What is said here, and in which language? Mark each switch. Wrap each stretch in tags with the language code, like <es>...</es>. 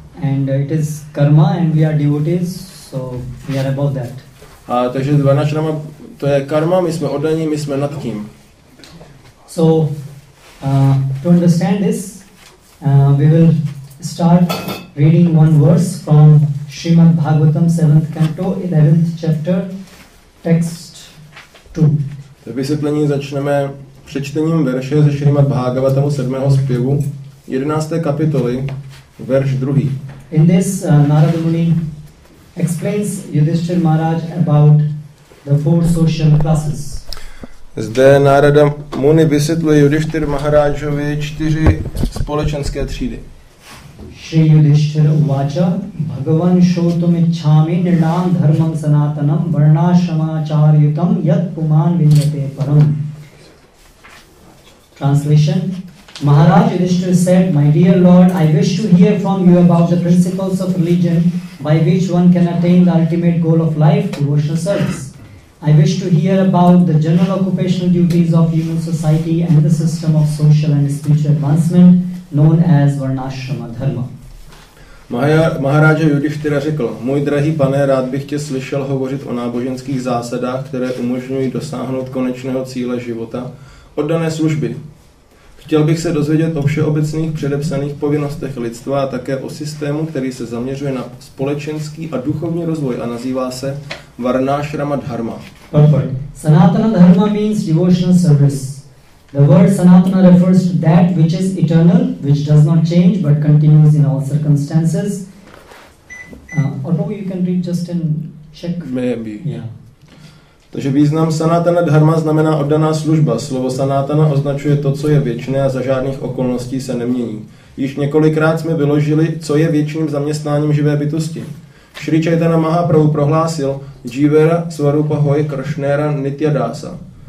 <en>And it is karma and we are devotees, so we are above that.</en> <cs>A takže Varnashrama, to je karma, my jsme oddaní, my jsme nad tím.</cs> <en>So, to understand this, we will start reading one verse from Srimad Bhagavatam 7th canto, 11th chapter, text 2.</en> <cs>To vysvětlení začneme přečtením verše ze Srimad Bhagavatamu 7. zpěvu, 11. kapitoly, verš 2.</cs> <en>In this, Narada Muni explains Yudhishthir Maharaj about the four social classes.</en> <cs>Zde Narada Muni vysvětluje Yudhishthir Maharajovi čtyři společenské třídy.</cs> <sa>Shri Yudhishthir uvaca, Bhagavan shrotum icchami nirnam dharmam sanatanam varnashramacharyutam yat puman vindate param.</sa> <en>Translation. Maharaj Yudhishthir said, my dear Lord, I wish to hear from you about the principles of religion by which one can attain the ultimate goal of life, devotional service. I wish to hear about the general occupational duties of human society and the system of social and spiritual advancement known as Varnashrama Dharma.</en> <cs>Maharaj Yudhishthira řekl, můj drahý pane, rád bych tě slyšel hovořit o náboženských zásadách, které umožňují dosáhnout konečného cíle života, oddané služby. Chtěl bych se dozvědět o všeobecných předepsaných povinnostech lidstva a také o systému, který se zaměřuje na společenský a duchovní rozvoj a nazývá se Varnashrama Dharma.</cs> <en>Perfect. Sanatana Dharma means devotional service. The word Sanatana refers to that which is eternal, which does not change but continues in all circumstances. Although you can read just and check. Maybe. Yeah.</en> <cs>Takže význam sanatana dharma znamená oddaná služba. Slovo sanatana označuje to, co je věčné a za žádných okolností se nemění. Již několikrát jsme vyložili, co je věčným zaměstnáním živé bytosti. Shri Chaitanya Mahaprabhu prohlásil</cs> <bn>Jivera Svarupa Hoy Kršnera Nityadasa.</bn>